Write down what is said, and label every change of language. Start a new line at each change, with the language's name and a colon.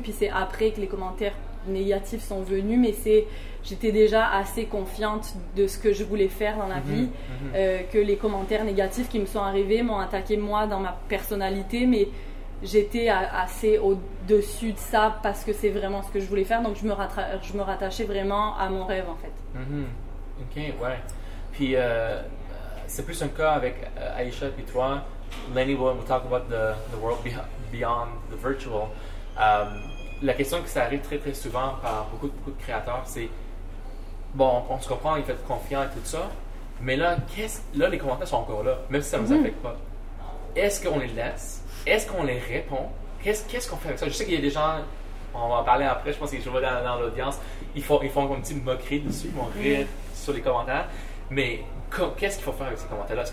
French: Puis c'est après que les commentaires négatifs sont venus, mais c'est, j'étais déjà assez confiante de ce que je voulais faire dans la vie, que les commentaires négatifs qui me sont arrivés m'ont attaqué moi dans ma personnalité, mais j'étais assez au-dessus de ça parce que c'est vraiment ce que je voulais faire, donc je me rattachais vraiment à mon rêve en fait. Ok, ouais. Puis c'est plus un cas avec Aisha et toi.
English: Lenny, we'll talk about the world beyond the virtual.
French: La question que ça arrive très très souvent par beaucoup de créateurs, c'est bon, on se comprend, il fait confiant et tout ça, mais là, les commentaires sont encore là, même si ça ne nous affecte pas. Est-ce qu'on les laisse? Est-ce qu'on les répond? Qu'est-ce qu'on fait avec ça? Je sais qu'il y a des gens, on va en parler après, je pense qu'ils jouent dans l'audience, ils font comme une petite moquerie dessus, ils vont rire sur les commentaires, mais qu'est-ce qu'il faut faire avec ces commentaires-là?